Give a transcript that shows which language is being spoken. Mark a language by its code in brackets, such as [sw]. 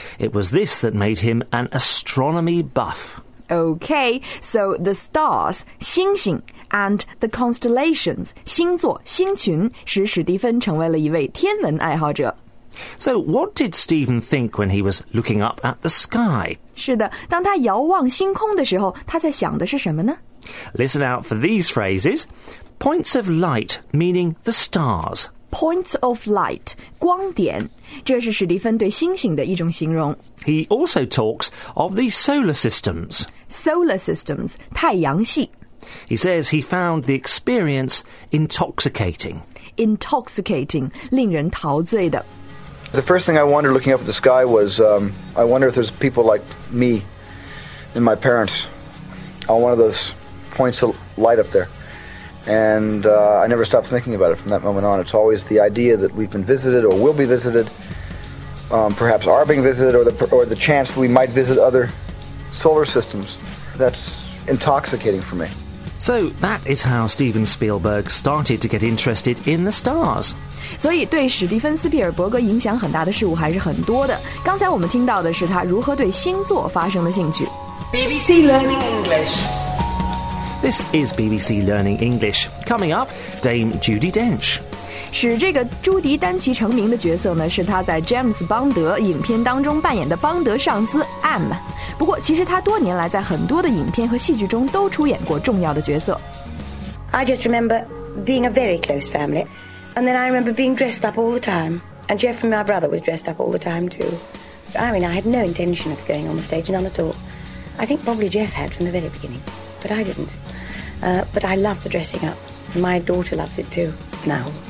[en] It was this that made him an astronomy buff. Okay, so the stars, [zh] 星星, [en] and the constellations, [zh] 星座,星群,使史蒂芬成为了一位天文爱好者。 [en] So what did Stephen think when he was looking up at the sky? [zh] 是的,当他遥望星空的时候,他在想的是什么呢? [en] Listen out for these phrases. Points of light, meaning the stars. Points of light, [zh] 光点,这是史蒂芬对星星的一种形容。 [en] He also talks of the solar systems. Solar systems, 太阳系。 He says he found the experience intoxicating. Intoxicating, 令人陶醉的。 The first thing I wondered looking up at the sky was, I wonder if there's people like me and my parents on one of those points of light up there. And I never stopped thinking about it from that moment on. It's always the idea that we've been visited or will be visited, perhaps are being visited, or the chance that we might visit other solar systems. That's intoxicating for me. So that is how Steven Spielberg started to get interested in the stars. [zh] 所以对史蒂芬·斯皮尔伯格影响很大的事物还是很多的。刚才我们听到的是他如何对星座发生的兴趣。 [en] BBC Learning English. This is BBC Learning English. Coming up, Dame Judi Dench. [zh] 使这个朱迪·丹奇成名的角色呢，是他在《James Bond》影片当中扮演的邦德上司 M。不过，其实他多年来在很多的影片和戏剧中都出演过重要的角色。 [en] I just remember being a very close family. And then I remember being dressed up all the time. And Jeff and my brother was dressed up all the time too. I mean, I had no intention of going on the stage, none at all. I think probably Jeff had from the very beginning, but I didn't. But I love the dressing up. My daughter loves it too, now.